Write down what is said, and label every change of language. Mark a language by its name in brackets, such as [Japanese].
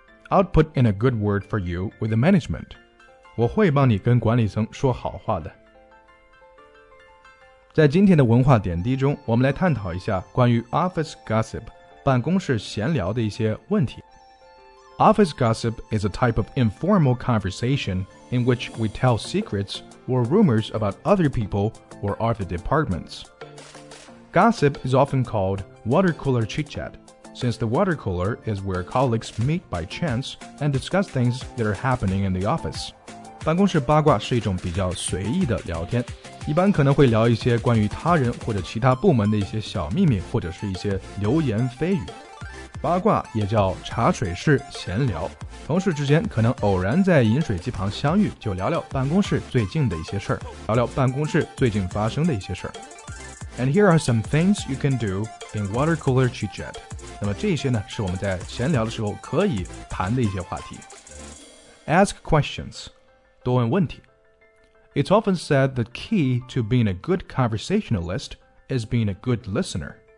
[English] I'll put in a good word for you with the management. [Chinese] 我会帮你跟管理层说好话的。在今天的文化点滴中，我们来探讨一下关于 [English] office gossip, [Chinese] 办公室闲聊的一些问题。 [English] Office gossip is a type of informal conversation in which we tell secrets or rumors about other people or other departments. Gossip is often called water cooler chit-chat. Since the water cooler is where colleagues meet by chance and discuss things that are happening in the office. [Chinese] 办公室八卦是一种比较随意的聊天，一般可能会聊一些关于他人或者其他部门的一些小秘密，或者是一些流言蜚语。八卦也叫茶水式闲聊，同事之间可能偶然在饮水机旁相遇，就聊聊办公室最近的一些事儿，聊聊办公室最近发生的一些事儿。 [English] And here are some things you can do in water cooler chit-chat. [Chinese] 那么这些呢是我们在闲聊的时候可以谈的一些话题。 [English] Ask questions. [Chinese] 多问问题。 [English] It's often said the key to being a good conversationalist is being a good listener.